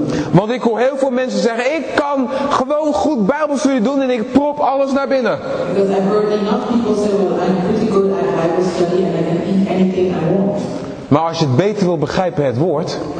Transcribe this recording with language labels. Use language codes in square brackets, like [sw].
[nl] Want ik hoor heel veel mensen zeggen, ik kan gewoon goed Bijbelstudie doen en ik prop alles naar binnen. [en] Because I've heard enough people say, well, I'm pretty good at Bible study and I can eat anything I want. [nl] Maar als je het beter wil begrijpen, het woord,